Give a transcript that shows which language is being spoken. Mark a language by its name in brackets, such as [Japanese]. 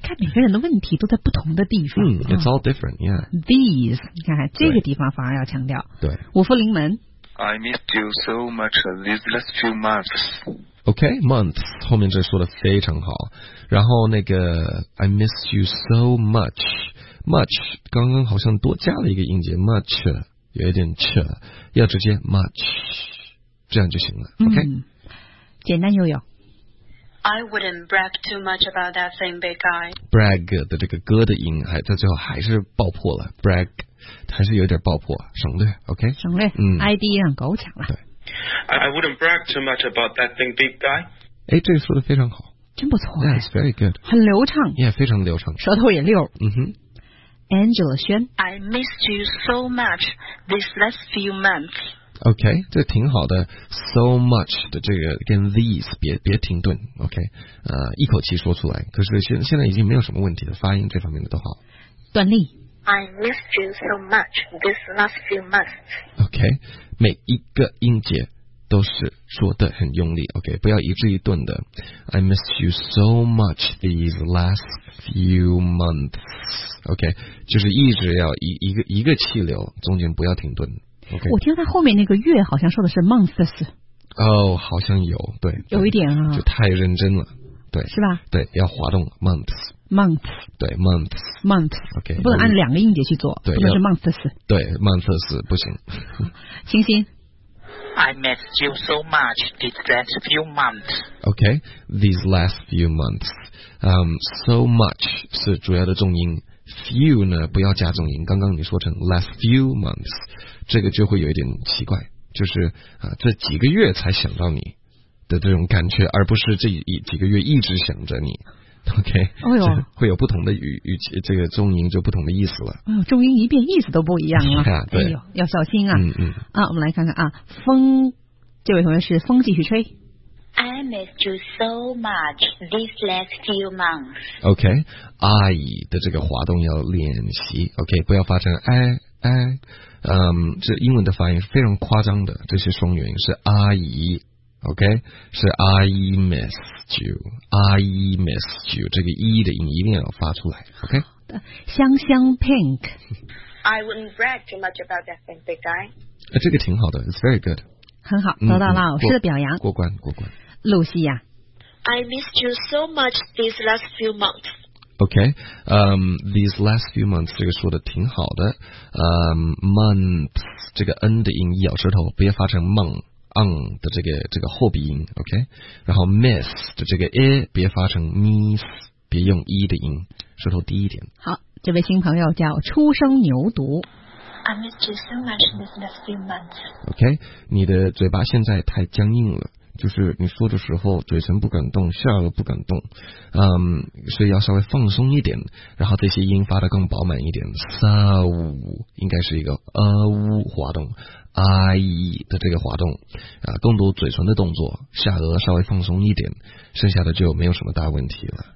[Chinese] 看每个人的问题都在不同的地方。 [English] It's all different, yeah. [Chinese] These, 你看这个地方反而要强调。对。五福临门。 [English] I missed you so much these last few months. [Chinese] Okay, months, 后面这说的非常好。然后那个 [English] I missed you so much, much, [Chinese] 刚刚好像多加了一个音节 much, 有一点 ch, 要直接 much, 这样就行了。Okay. 简单又有。 [English] I wouldn't brag too much about that thing, big guy. [Chinese] Brag 的这个歌的音还在最后还是爆破了 ，brag 还是有点爆破，省略 ，OK？省略，ID 让狗抢了。对 [English] ，I wouldn't brag too much about that thing, big guy. [Chinese] 哎，这个说的非常好，真不错 [English] ，Yeah, it's very good. [Chinese] 很流畅，Yeah, 非常流畅，舌头也溜。Angela 轩 [English] ，I missed you so much these last few months. [Chinese] OK， 这挺好的 ，so much 的这个跟 these 别停顿 ，OK， 一口气说出来。可是现在已经没有什么问题了，发音这方面的都好。段丽 [English] ，I missed you so much this last few months。 [Chinese] OK， 每一个音节都是说的很用力 ，OK， 不要一字一顿的。 [English] I missed you so much these last few months。 [Chinese] OK， 就是一直要一个气流，中间不要停顿。 [English] Okay. [Chinese] 我听他后面那个月好像说的是 months。哦，好像有，对，有一点啊，就太认真了，对，是吧？对，要滑动 months。 [English] months。 [Chinese] 对 months。 [English] months。 OK。 [Chinese] 不能按两个音节去做，对，不能是 months。对 months 不行。星星。 [English] I missed you so much these last few months. OK, these last few months. So much [Chinese] 是主要的重音。 Few 呢不要加重音，刚刚你说成 last few months， 这个就会有一点奇怪，就是这几个月才想到你的这种感觉，而不是这几个月一直想着你。 OK， 会有不同的语这个重音就不同的意思了。重音一变，意思都不一样了。对啊，对，要小心啊。我们来看看啊，风，这位同学是风继续吹。 [English] I missed you so much these last few months. [Chinese] Okay, I 的这个滑动要练习。 Okay, 不要发成 I。这英文的发音是非常夸张的，这些双元音是 I。 [English] Okay, 是 I missed you. I missed you. [Chinese] 这个 E 的音一定要发出来。 [English] Okay. [Chinese] 香香 Pink. [English] I wouldn't brag too much about that thing, big guy. [Chinese] 这个挺好的 ， [English] It's very good. [Chinese] 很好，得到老师的表扬。过关，过关。露西亚 [English] I missed you so much these last few months. [Chinese] Okay, [English] these last few months [Chinese] 这个说的挺好的。Months 这个 n 的音咬舌头，不要发成 mon， on 的这个后鼻音 ，OK， 然后 miss 的这个 e 别发成 miss， 别用 e 的音，舌头低一点。好，这位新朋友叫初生牛犊。 [English] I missed you so much this last few months. [Chinese] OK， 你的嘴巴现在太僵硬了。就是你说的时候嘴唇不敢动，下颚不敢动，所以要稍微放松一点，然后这些音发得更饱满一点。 sa wu 应该是一个呜滑动 ，i 的这个滑动啊，更多嘴唇的动作，下颚稍微放松一点，剩下的就没有什么大问题了。